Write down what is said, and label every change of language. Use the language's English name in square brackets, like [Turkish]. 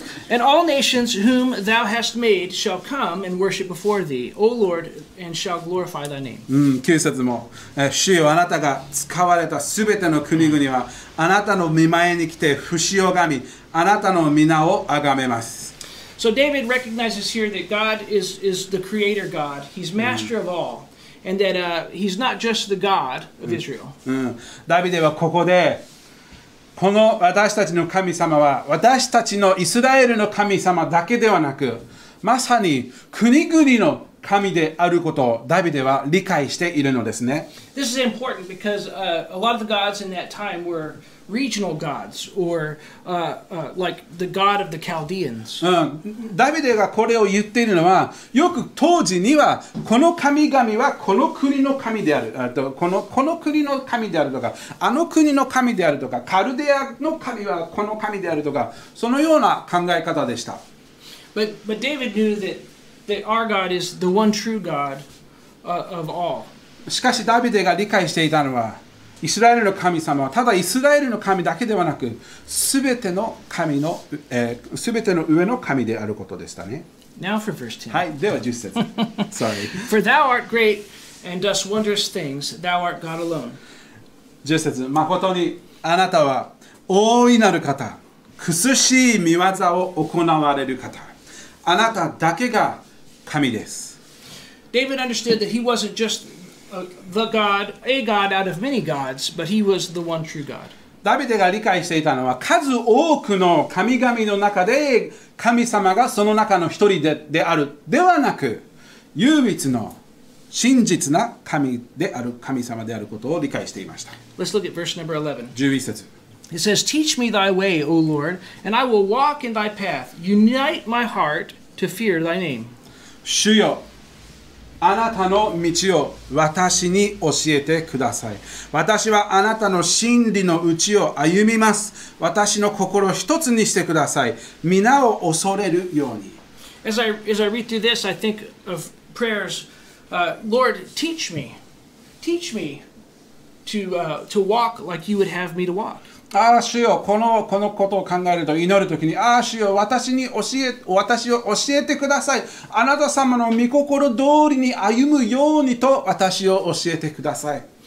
[English] And all nations whom thou hast made shall come and worship before thee, O Lord, and shall glorify thy name. [Japanese] 9節も、主よ、あなたが使われたすべての国々はあなたの御前に来て伏し拝み、あなたの御名をあがめます。 [English] So David recognizes here that God is the creator God. He's master of all. And that he's not just the God of Israel. [Japanese] ダビデはここで、この私たちの神様は私たちのイスラエルの神様だけではなく、まさに国々の神であることをダビデは理解しているのですね。 [English] This is important because a lot of the gods in that time were regional gods or like the god of the Chaldeans. [Japanese] ダビデがこれを言っているのは、よく当時にはこの神々はこの国の神であるとこの国の神であるとか、あの国の神であるとか、カルデアの神はこの神であるとか、そのような考え方でした。 [English] But David knew that our God is the one true God of all. [Japanese] しかしダビデが理解していたのは、イスラエルの神様はただイスラエルの神だけではなく、すべての神の、すべての上の神であることでしたね。 [English] Now for verse 10. [Japanese] はい、では10節。 [English] Sorry. For thou art great and dost wondrous things, thou art God alone. [Japanese] 10節。まことにあなたは大いなる方、くすしい御業を行われる方、あなただけが神です。 [English] David understood that he wasn't just the God, a God out of many gods, but he was the one true God. [Japanese] ダビデが理解していたのは、数多くの神々の中で神様がその中の一人であるではなく、唯一の真実な神である神様であることを理解していました。 [English] Let's look at verse number [Japanese] 11. 11節。 [English] It says, Teach me thy way, O Lord, and I will walk in thy path. Unite my heart to fear thy name. [Japanese] 主よ、あなたの道を私に教えてください。私はあなたの真理の内を歩みます。私の心一つにしてください。皆を恐れるように。 [English] As I read through this, I think of prayers. Lord, teach me. Teach me to walk like you would have me to walk. [Japanese] ああ主よ、このことを考えると、祈るときに、ああ主よ、私を教えてください、あなた様の御心通りに歩むようにと私を教えてください。